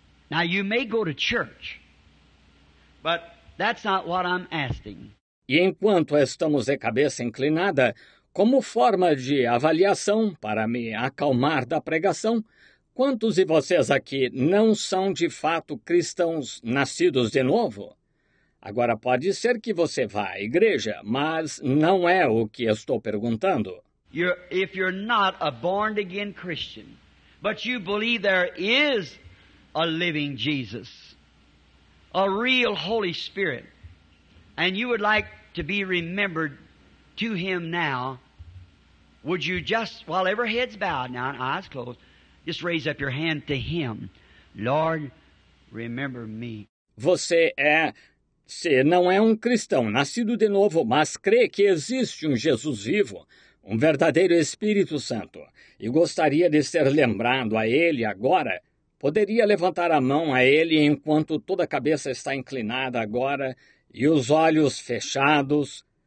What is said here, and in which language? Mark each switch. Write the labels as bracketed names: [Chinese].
[English] Now, you may go to church, but that's not what I'm asking. [Portuguese] E enquanto estamos de cabeça inclinada, como forma de avaliação para me acalmar da pregação, quantos de vocês aqui não são de fato cristãos nascidos de novo? Agora, pode ser que você vá à igreja, mas não é o que estou perguntando. [English] If you're not a born-again Christian, but you believe there is a living Jesus, a real Holy Spirit, and you would like to be remembered to him now, would you just, while every head's bowed now and eyes closed, just raise up your hand to him. Lord, remember me. [Portuguese] Você é, se não é um cristão nascido de novo, mas crê que existe um Jesus vivo, um verdadeiro Espírito Santo, e gostaria de ser lembrado a ele agora, poderia levantar a mão a ele enquanto toda a cabeça está inclinada agora e os olhos fechados.